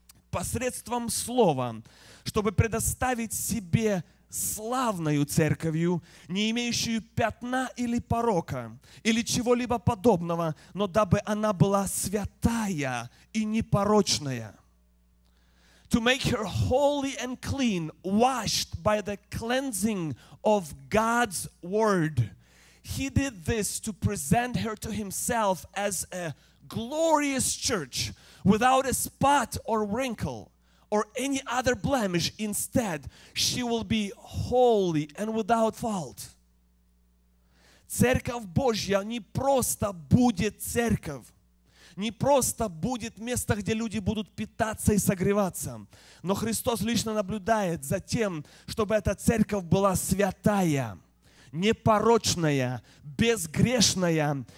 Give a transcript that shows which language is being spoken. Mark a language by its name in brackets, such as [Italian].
[Russian] Посредством слова, чтобы предоставить себе славную церковью, не имеющую пятна или порока, или чего-либо подобного, но дабы она была святая и непорочная. [English] to make her holy and clean, washed by the cleansing of God's word. He did this to present her to himself as a glorious church without a spot or wrinkle or any other blemish. Instead, she will be holy and without fault. [Russian] Церковь Божья не просто будет церковь, не просто будет место, где люди будут питаться и согреваться, но Христос лично наблюдает за тем, чтобы эта церковь была святая, непорочная, безгрешная.